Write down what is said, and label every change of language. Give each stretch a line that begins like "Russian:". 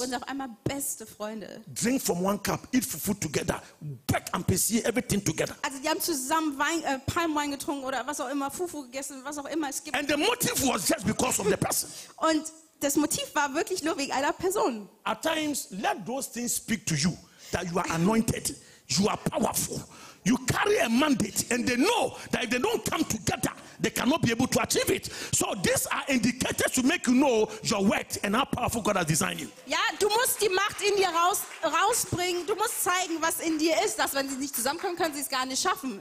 German: Wurden auf einmal beste Freunde.
English: Drink from one cup, eat food together, back and pursue everything together.
German: Also die haben zusammen Wein, Palmwein getrunken oder was auch immer, Fufu gegessen, was auch immer es gibt.
English: And the motive was just because of the person.
German: Und das Motiv war wirklich nur wegen einer Person.
English: At times, let those things speak to you, that you are anointed, you are powerful, you carry a mandate, and they know that if they don't come together, they cannot be able to achieve it. So these are indicators to make you know your worth and how powerful God has designed you.
German: Ja, du musst die Macht in dir rausbringen. Du musst zeigen, was in dir ist, dass wenn sie nicht zusammenkommen, können sie es gar nicht schaffen.